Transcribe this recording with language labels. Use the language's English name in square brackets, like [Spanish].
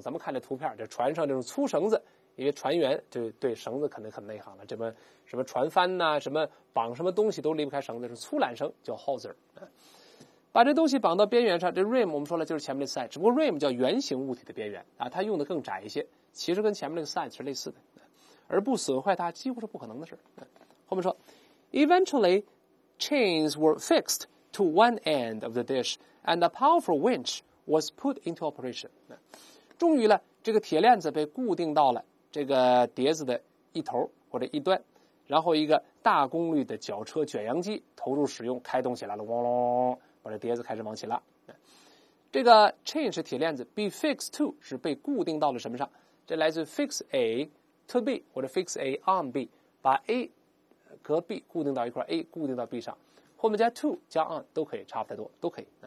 [Chinese] 咱们看这图片，这船上这种粗绳子，因为船员就对绳子肯定很内行了，这么什么船帆呐、啊，什么绑什么东西都离不开绳子，是粗缆绳叫 hawser。把这东西绑到边缘上，这 rim 我们说了就是前面的 side， 只不过 rim 叫圆形物体的边缘啊，它用的更窄一些，其实跟前面那个 side 是类似的，而不损坏它几乎是不可能的事。后面说 [English] ，Eventually chains were fixed to one end of the dish and a powerful winch was put into operation。 [Chinese] 终于了，这个铁链子被固定到了这个碟子的一头或者一端，然后一个大功率的绞车卷扬机投入使用，开动起来了，嗡隆。把这碟子开始往起拉，这个 chain 是铁链子， be fixed to 是被固定到了什么上，这来自 fix A to B 或者 fix A on B， 把 A 和 B 固定到一块， A 固定到 B 上，后面加 to 加 on 都可以，差不太多都可以。